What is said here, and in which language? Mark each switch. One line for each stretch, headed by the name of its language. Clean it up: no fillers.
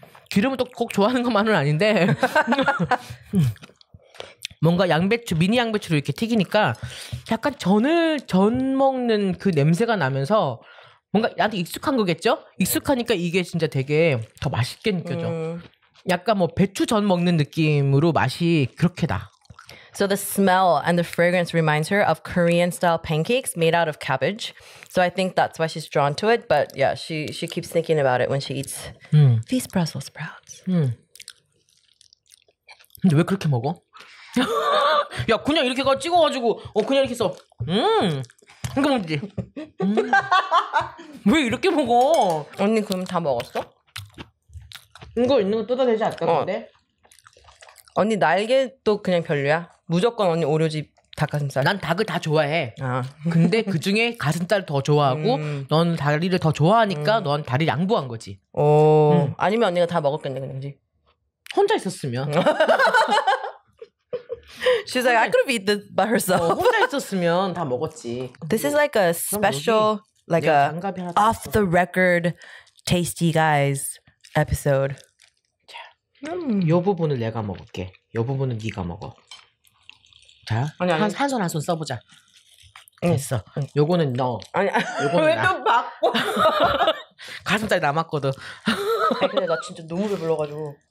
Korean: 기름은 또 꼭 좋아하는 것만은 아닌데 뭔가 양배추, 미니 양배추로 이렇게 튀기니까 약간 전 먹는 그 냄새가 나면서 뭔가 나한테 익숙한 거겠죠? 익숙하니까 이게 진짜 되게 더 맛있게 느껴져. 약간 뭐 배추 전 먹는 느낌으로 맛이 그렇게 나.
English: So the smell and the fragrance reminds her of Korean style pancakes made out of cabbage. So I think that's why she's drawn to it. But yeah, she keeps thinking about it when she eats these Brussels sprouts.
Korean: 근데 왜 그렇게 먹어? 야, 그냥 이렇게 가 찍어가지고, 그냥 이렇게 써. 이거 뭔지? 왜 이렇게 먹어? 언니 그럼 다 먹었어? 이거 있는 거 뜯어내지 않겠는데? 언니 날개도 그냥 별로야. 무조건 언니 오려집 닭가슴살. 난 닭을 다 좋아해. 아. 근데 그 중에 가슴살 더 좋아하고, 넌 다리를 더 좋아하니까 넌 다리 양보한 거지. 오. 아니면 언니가 다 먹었겠네 그냥. 혼자 있었으면.
English: She's like, 혼자, I could have eaten by herself.
Korean: 혼자 있었으면 다 먹었지.
English: This is like a special, like a off the record, tasty guys episode.
Korean: 자, 요 부분을 내가 먹을게. 요 부분은 네가 먹어. 자, 아니, 아니. 한 손 한 손 써보자. 됐어. 요거는 너. 아니, 요거는 왜 또 바꿔? 가슴살 남았거든. 아니, 근데 나 진짜 너무 배불러가지고.